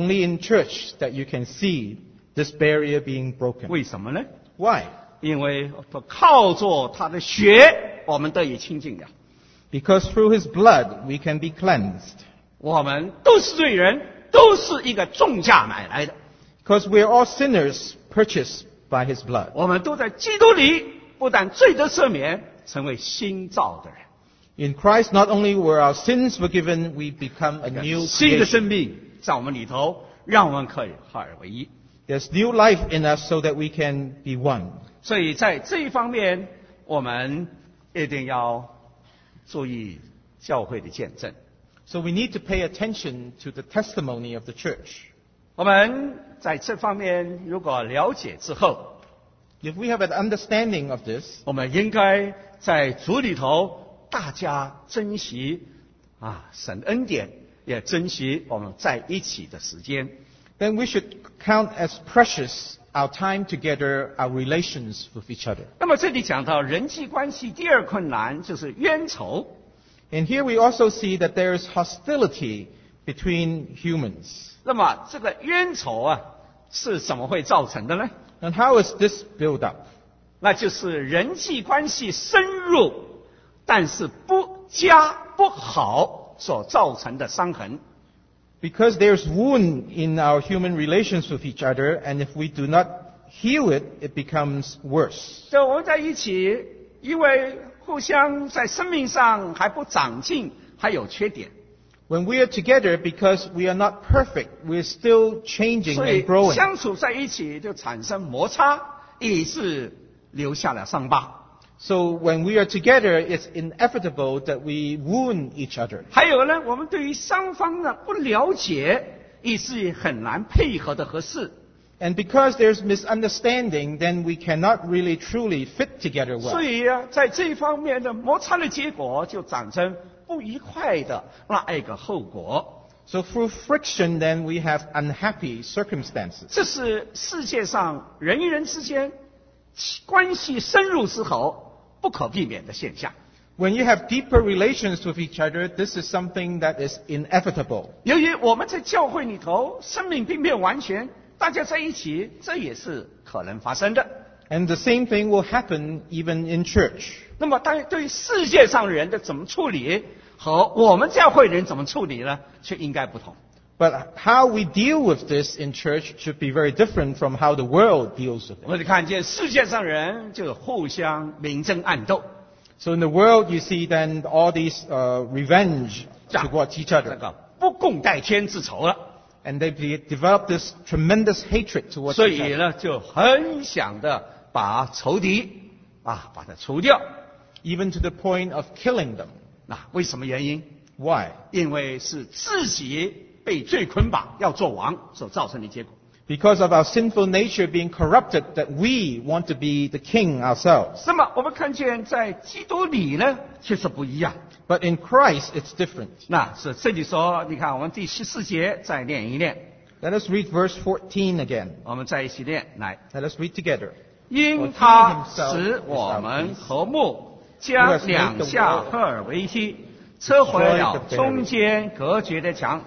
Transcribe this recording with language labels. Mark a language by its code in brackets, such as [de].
[en] Only in church that you can see this barrier being broken. [zh] 为什么呢？ [en] Why? [zh] 因为靠着他的血我们得以清净了。 [en] Because through his blood we can be cleansed. [zh] 我们都是罪人，都是一个重价买来的。 [en] Because we are all sinners purchased by his blood. [zh] 我们都在基督里不但罪得赦免，成为新造的人。 [en] In Christ not only were our sins forgiven, we become a new creation. [zh] 新的生命在我们里头，让我们可以合而为一。 [en] There's new life in us so that we can be one. [zh] 所以在这一方面我们一定要注意教会的见证。 [en] So we need to pay attention to the testimony of the church. [zh] 我们在这方面如果了解之后， [en] If we have an understanding of this, [zh] 我们应该在主里头大家珍惜啊神恩典，也珍惜我们在一起的时间。 [en] Then we should count as preciousour time together, our relations with each other. [zh] 那么这里讲到人际关系第二困难就是冤仇。 [en] And here we also see that there is hostility between humans. [zh] 那么这个冤仇啊是怎么会造成的呢？ [en] And how is this built up? [zh] 那就是人际关系深入但是不佳不好所造成的伤痕。 [en] Because there's wound in our human relations with each other, and if we do not heal it, it becomes worse. [zh] 对，我们在一起，因为互相在生命上还不长进，还有缺点。 [en] When we are together, because we are not perfect, we're still changing and growing. [zh] 所以相处在一起就产生摩擦，以致留下了伤疤。 [en] So when we are together, it's inevitable that we wound each other. [zh] 还有呢，我们对于双方的不了解，以至于很难配合的合适。 [en] And because there's misunderstanding, then we cannot really truly fit together well. [zh] 所以啊，在这方面的摩擦的结果就产生不愉快的那一个后果。 [en] So through friction, then we have unhappy circumstances. [zh] 这是世界上人与人之间关系深入之后不可避免的现象。 [en] When you have deeper relations with each other, this is something that is inevitable. [zh] 由于我们在教会里头，生命并没有完全，大家在一起，这也是可能发生的。 [en] And the same thing will happen even in church. [zh] 那么当然对于世界上人的怎么处理和我们教会人怎么处理呢却应该不同。 [en] But how we deal with this in church should be very different from how the world deals with it. [zh] 我们看见世界上人就互相明争暗斗。 [en] So in the world, you see then all these, revenge towards each other. [zh] 不共戴天之仇了。 [en] And they develop this tremendous hatred towards each other. [zh] 所以呢就很想的把仇敌啊把它除掉。 [en] Even to the point of killing them. [zh] 那为什么原因 [en] ?Why? [zh] 因为是自己被罪捆绑要做王所造成的结果。 [en] Because of our sinful nature being corrupted that we want to be the king ourselves. [zh] 那么我们看见在基督里呢却是不一样。 [en] But in Christ, it's different. [zh] 那是这里说，你看我们第十四节再念一念。 [en] Let us read verse 14 again. [zh] 我们再一起念，来。 [en] Let us read together. [zh] 因他使我们和睦，将两下合而为一，拆毁了中间隔绝的墙。